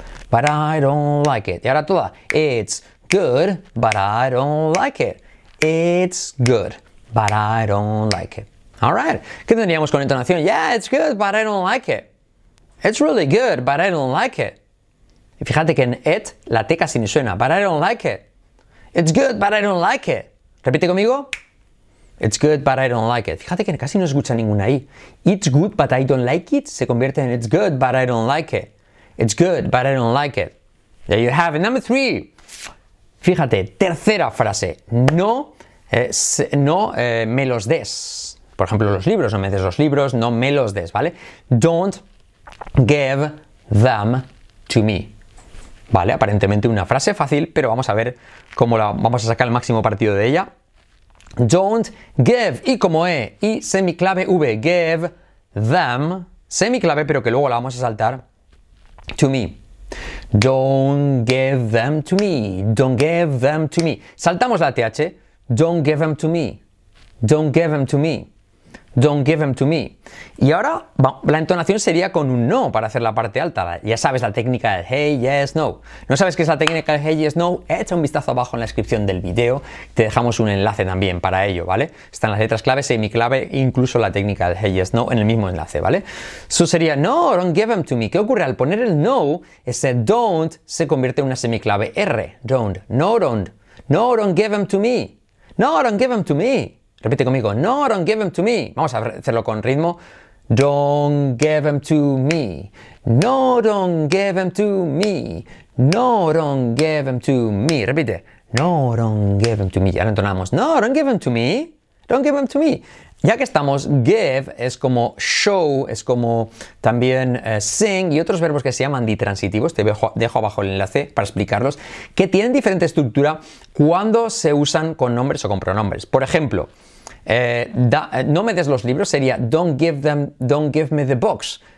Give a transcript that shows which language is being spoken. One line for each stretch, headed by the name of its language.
English: But I don't like it.
Spanish: Y ahora toda.
English: It's good, but I don't like it. It's good, but I don't like it. All right.
Spanish: ¿Qué tendríamos con entonación?
English: Yeah, it's good, but I don't like it. It's really good, but I don't like it.
Spanish: Y fíjate que en it, la T casi ni suena.
English: But I don't like it. It's good, but I don't like it.
Spanish: Repite conmigo.
English: It's good, but I don't like it.
Spanish: Fíjate que casi no escucha ninguna I.
English: It's good, but I don't like it.
Spanish: Se convierte en
English: it's good, but I don't like it. It's good, but I don't like it. There you have it. Number three.
Spanish: Fíjate, tercera frase. No, me los des. Por ejemplo, los libros. No me des los libros, no me los des, ¿vale?
English: Don't give them to me.
Spanish: ¿Vale? Aparentemente una frase fácil, pero vamos a ver cómo la vamos a sacar el máximo partido de ella.
English: Don't give,
Spanish: y como E, y semiclave V,
English: give them,
Spanish: semiclave, pero que luego la vamos a saltar,
English: to me. Don't give them to me, don't give them to me.
Spanish: Saltamos la TH,
English: don't give them to me, don't give them to me, don't give them to me.
Spanish: Y ahora, la entonación sería con un no para hacer la parte alta. Ya sabes la técnica del hey, yes, no. ¿No sabes qué es la técnica del hey, yes, no? Echa un vistazo abajo en la descripción del video. Te dejamos un enlace también para ello, ¿vale? Están las letras clave, semiclave, incluso la técnica del hey, yes, no en el mismo enlace, ¿vale? Eso sería no,
English: don't give them to me.
Spanish: ¿Qué ocurre? Al poner el no, ese don't se convierte en una semiclave R.
English: Don't, no, don't, no, don't give them to me, no, don't give them to me.
Spanish: Repite conmigo,
English: no, don't give them to me.
Spanish: Vamos a hacerlo con ritmo.
English: Don't give them to me. No, don't give them to me. No, don't give them to me.
Spanish: Repite.
English: No, don't give them to me.
Spanish: Ya lo entonamos.
English: No, don't give them to me. Don't give them to me.
Spanish: Ya que estamos, give es como show, es como también sing y otros verbos que se llaman ditransitivos. Te dejo abajo el enlace para explicarlos, que tienen diferente estructura cuando se usan con nombres o con pronombres. Por ejemplo, no me des los libros sería
English: don't give them, don't give me the books.